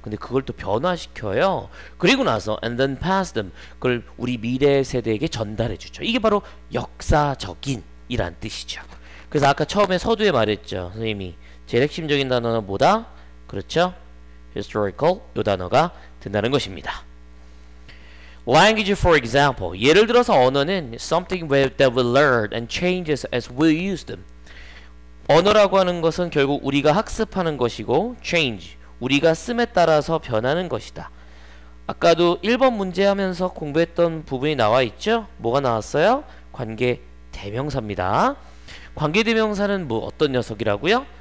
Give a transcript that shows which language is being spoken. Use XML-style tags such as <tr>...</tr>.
<ko>근데 그걸 또 변화시켜요. 그리고 나서</ko> <en>and then pass them</en> <ko>그걸 우리 미래 세대에게 전달해 주죠. 이게 바로 역사적인 이란 뜻이죠. 그래서 아까 처음에 서두에 말했죠. 선생님이 제일 핵심적인 단어는 뭐다? 그렇죠? historical 요 단어가 된다는 것입니다.</ko> <en>Language for example</en> <ko>예를 들어서 언어는</ko> <en>something that we learn and changes as we use them.</en> <ko>언어라고 하는 것은 결국 우리가 학습하는 것이고 change 우리가 씀에 따라서 변하는 것이다. 아까도 1번 문제 하면서 공부했던 부분이 나와 있죠. 뭐가 나왔어요? 관계 대명사입니다. 관계 대명사는 뭐 어떤 녀석이라고요?</ko>